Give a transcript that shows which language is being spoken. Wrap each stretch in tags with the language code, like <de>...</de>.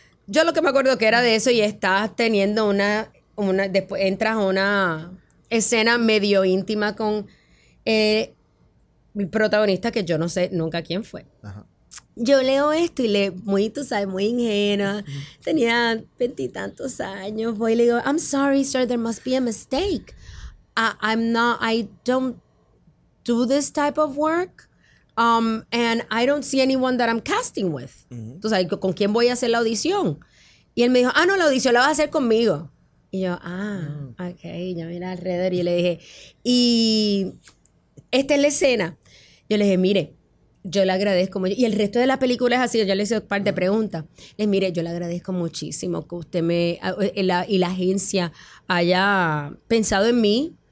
<es>Yo lo que me acuerdo que era de eso y estás teniendo una. Después entras a una escena medio íntima con. El protagonista que yo no sé nunca quién fue. Ajá. Yo leo esto y tú sabes, muy ingenua. Tenía veintitantos años. Voy y le digo,</es> <en>I'm sorry, sir, there must be a mistake. I'm not, I don't, do this type of work. And I don't see anyone that I'm casting with.</en> <es>Entonces, ¿con quién voy a hacer la audición? Y él me dijo, ah, no, la audición la vas a hacer conmigo. Y yo, ah, ok. Yo miré alrededor y le dije, y esta es la escena. Yo le dije, mire, yo le agradezco mucho. Y el resto de la película es así. Yo le hice un par de preguntas. Le dije, mire, yo le agradezco muchísimo que usted me y la agencia haya pensado en mí.</es>